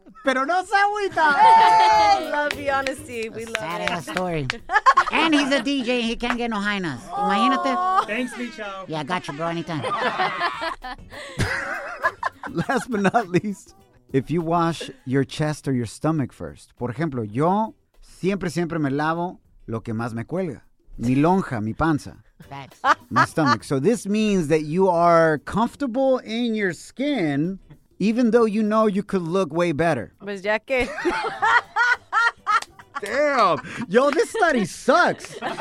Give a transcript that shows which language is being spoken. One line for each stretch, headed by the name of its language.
Spanish: Pero no se agüita.
English: Love the honesty. We love sad it. Sad story. And he's a DJ. He can't get no hyenas.
Spanish: Imagínate.
English: Thanks, Micho. Yeah, I got you, bro. Anytime. Last but not least, if you wash your chest or your stomach first.
Spanish: Por ejemplo, yo siempre me lavo lo que más me cuelga. Mi lonja, mi panza.
English: Facts. My stomach. So this means that you are comfortable in your skin, even though you know you could look way better.
Spanish: Pues ya que.
English: Damn. Yo, this study sucks.